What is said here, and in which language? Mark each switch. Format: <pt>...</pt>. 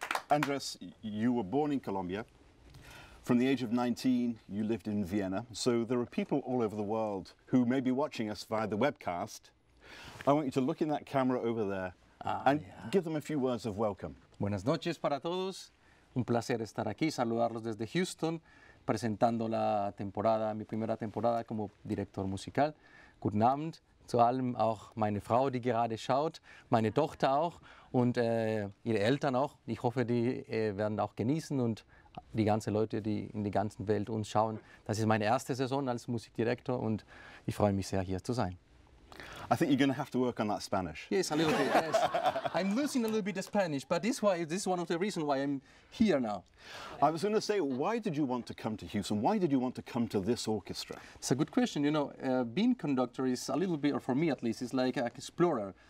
<en>Andrés, you were born in Colombia. From the age of 19, you lived in Vienna. So there are people all over the world who may be watching us via the webcast. I want you to look in that camera over there give them a few words of welcome.</en> <es>Buenas noches para todos. Un placer estar aquí, saludarlos desde Houston, presentando la temporada, mi primera temporada como director musical.</es> <de>Guten Abend, zu allem auch meine Frau, die gerade schaut, meine Tochter auch und ihre Eltern auch. Ich hoffe, die werden auch genießen und die ganzen Leute, die in die ganze Welt uns schauen. Das ist meine erste Saison als Musikdirektor und ich freue mich sehr, hier zu sein.</de> <en>I think you're going to have to work on that Spanish. Yes, a little bit, yes. I'm losing a little bit of Spanish, but this is one of the reasons why I'm here now. I was going to say, why did you want to come to Houston? Why did you want to come to this orchestra? It's a good question. You know, being conductor is a little bit, or for me at least, is like an explorer.</en>